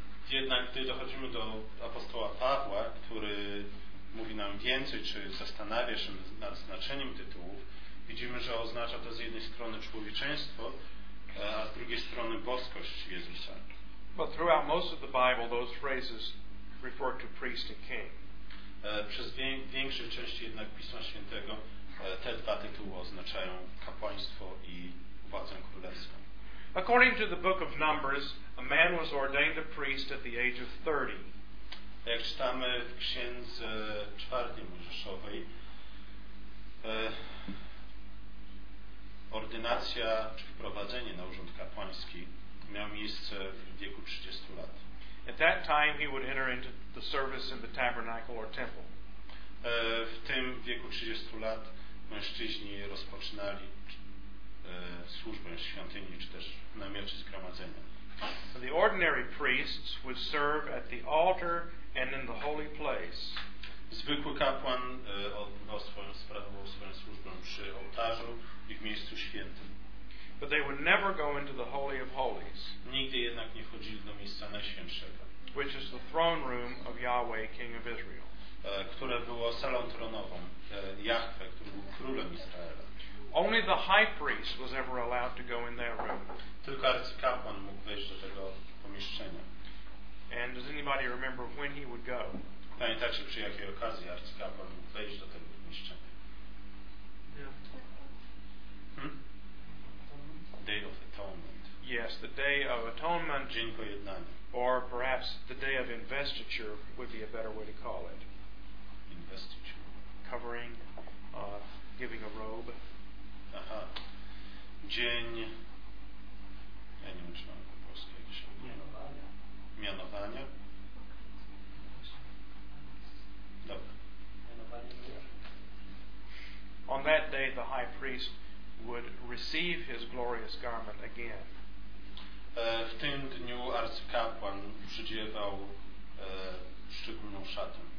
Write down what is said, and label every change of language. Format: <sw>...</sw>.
<pl>Jednak gdy dochodzimy do apostoła Pawła, który mówi nam więcej, czy zastanawia się nad znaczeniem tytułów, widzimy, że oznacza to z jednej strony człowieczeństwo, a z drugiej strony boskość Jezusa.</pl> <en>But throughout most of the Bible those phrases refer to priest and king.</en> <pl>Przez większe części jednak Pisma Świętego te dwa tytuły oznaczają kapłaństwo i władzę królewską.</pl> <en>According to the book of Numbers, a man was ordained a priest at the age of 30.</en> <pl>Jak czytamy w księdze czwartej Mojżeszowej, ordynacja czy wprowadzenie na urząd kapłański miało miejsce w wieku 30 lat.</pl> <en>At that time he would enter into the service in the tabernacle or temple.</en> <pl>W tym wieku 30 lat mężczyźni rozpoczynali służbę w świątyni czy też w namiocie zgromadzenia.</pl> <en>So the ordinary priests would serve at the altar and in the holy place.</en> <pl>Zwykły kapłan odbywał swoją sprawę służbę przy ołtarzu i w miejscu świętym.</pl> <en>But they would never go into the holy of holies.</en> <pl>Nigdy jednak nie wchodzili do miejsca najświętszego,</pl> <en>which is the throne room of Yahweh, King of Israel.</en> <pl>Które było salą tronową Jahwe, który był królem Izraela.</pl> <en>Only the high priest was ever allowed to go in that room.</en> <pl>Tylko arcykapłan mógł wejść do tego pomieszczenia.</pl> <en>And does anybody remember when he would go?</en> <pl>Pamiętacie, przy jakiej okazji arcykapłan mógł wejść do tego pomieszczenia?</pl> <en>Day of Atonement. Yes, the Day of Atonement.</en> <pl>Dzień pojednania.</pl> <en>Or perhaps the Day of Investiture would be a better way to call it. Investiture. Covering, giving a robe.</en> <pl>Aha. Dzień. Ja nie wiem, czy mam po polsku jakieś. Mianowania. Mianowania. Dobra. Mianowanie.</pl> <en>On that day, the high priest would receive his glorious garment again.</en> <pl>W tym dniu arcykapłan przydziewał szczególną szatę.</pl>